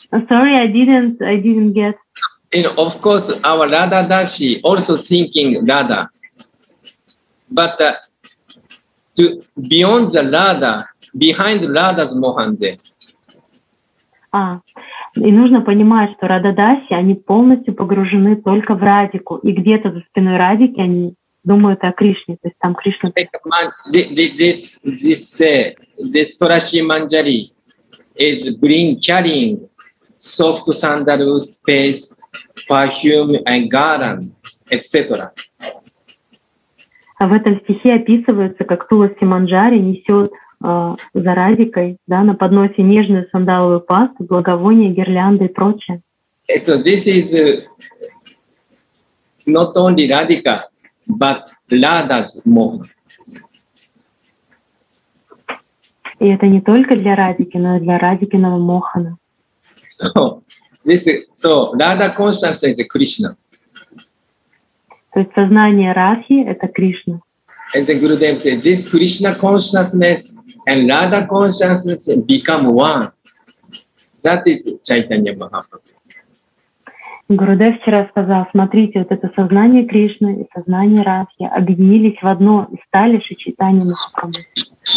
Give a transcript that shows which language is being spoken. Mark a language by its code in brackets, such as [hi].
[en] Sorry, I didn't get. You know, of course, our Radha Dash also thinking Radha, but to beyond the Radha, behind Radha's Mohande. Ah. [ru] И нужно понимать, что Рададаси, они полностью погружены только в Радику, и где-то за спиной Радики они думают о Кришне, то есть там Кришна. [en] This Tulasi Manjari is bring carrying soft sandalwood paste, perfume and garland, etc. [ru] А в этом стихе описывается, как Туласи Манджари несет за Радикой, да, на подносе нежную сандаловую пасту, благовония, гирлянды и прочее. [en] So this is not only Radhika, but Radha's mohan. [ru] И это не только для Радики, но и для Радикиного мохана. [en] So Radha consciousness is Krishna. [ru] То есть сознание Радхи — это Кришна. [en] And the Gurudev said, this Krishna consciousness and Radha consciousness become one. That is Chaitanya Mahaprabhu. [ru] Gurudev вчера сказал, смотрите, вот это сознание Кришны и сознание Радхи объединились в одно и стали Шри Чайтанья Махапрабху.